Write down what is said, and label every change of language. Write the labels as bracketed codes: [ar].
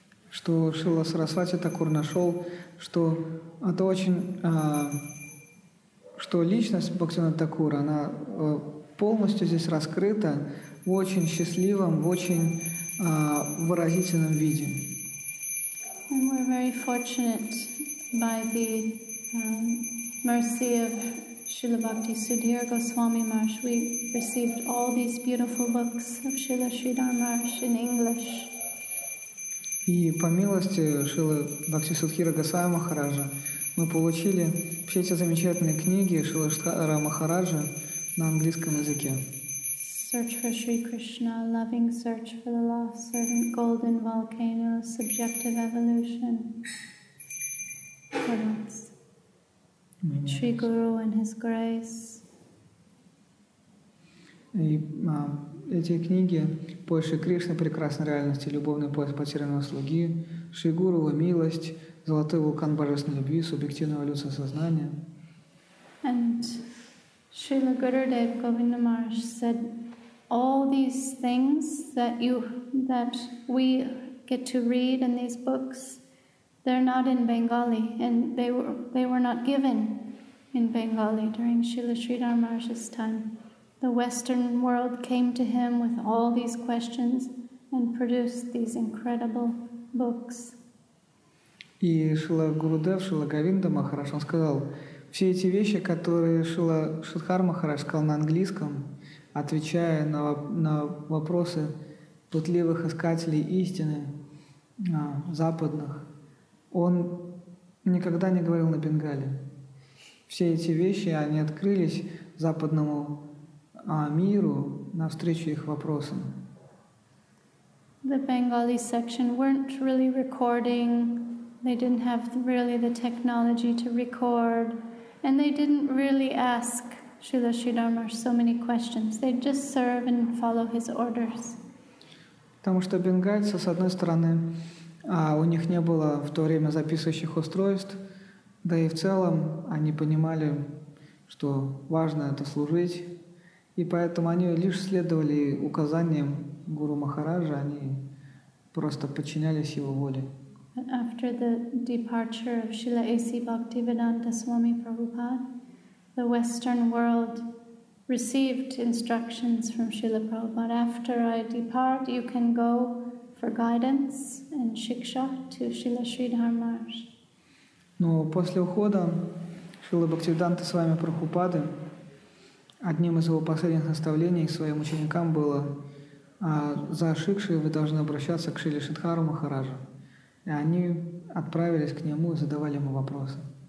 [ru] Что Шрила Сарасвати Такур нашел, что это очень, что личность Бхактивинода Такура, она полностью здесь раскрыта в очень счастливом, в очень выразительном виде. [en] And we're very fortunate by the mercy of Srila Bhakti Sudhir Goswami Maharaj. We received all these beautiful books of Srila Sridhar Maharaj in English. [ru] И по милости Шрилы Бхакти Судхира Госвами Махараджа мы получили все эти замечательные книги Шрилы Шридхара Махараджа на английском языке. [en] Search for Sri Krishna, Loving Search for the Lost Servant, Golden Volcano, Subjective Evolution. What else? Sri Guru and His Grace. [ru] И эти книги «Поиск Кришны, прекрасной реальности, любовный поиск потерянного слуги», «Шри Гуру, милость», «Золотой вулкан божественной любви», «Субъективная эволюция сознания». [en] And Srila Gurudev Govinda Maharaj said all these things that we get to read in these books, they're not in Bengali, and they were not given in Bengali during Srila Sridhar Maharaj's time. The Western world came to him with all these questions and produced these incredible books. [ru] И Шрила Гурудев, Шрила Говинда Махарадж, он сказал, все эти вещи, которые Шрила Шридхар Махарадж сказал на английском, отвечая на вопросы пытливых искателей истины западных, он никогда не говорил на бенгали. Все эти вещи, они открылись западному миру навстречу их вопросам. [en] The Bengali section weren't really recording, they didn't have really the technology to record, and they didn't really ask Srila Sridharmar so many questions. They just serve and follow his orders. [ru] Потому что бенгальцы, с одной стороны, у них не было в то время записывающих устройств, да и в целом они понимали, что важно это служить, и поэтому они лишь следовали указаниям Гуру Махараджа, они просто подчинялись его воле. [en] After the departure of Srila A.C. Bhaktivedanta Swami Prabhupada, the Western world received instructions from Srila Prabhupada. After I depart, you can go for guidance and shiksha to Srila Sridhar Maharaj. [ru] Но после ухода Шрила Бхактивиданта Свами Прабхупады, одним из его последних наставлений своим ученикам было: за шикшей вы должны обращаться к Шриле Шридхару Махараджу. И они отправились к нему и задавали ему вопросы.